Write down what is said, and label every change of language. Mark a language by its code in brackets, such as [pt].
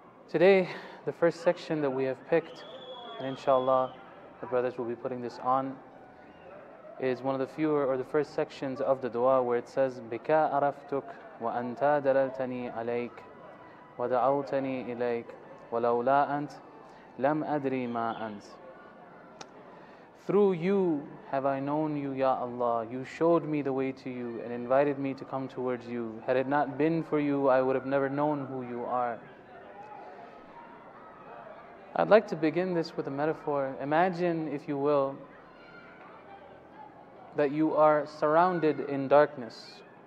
[en] Today, the first section that we have picked, and inshallah, the brothers will be putting this on, is one of the fewer, or the first sections of the Dua, where it says, [ar] Bika araftuk wa anta dalaltani alayk. ودعوتني إليك ولولا أنت لم أدري ما أنت. [en] Through you have I known you, Ya Allah. You showed me the way to you and invited me to come towards you. Had it not been for you, I would have never known who you are. I'd like to begin this with a metaphor. Imagine, if you will, that you are surrounded in darkness.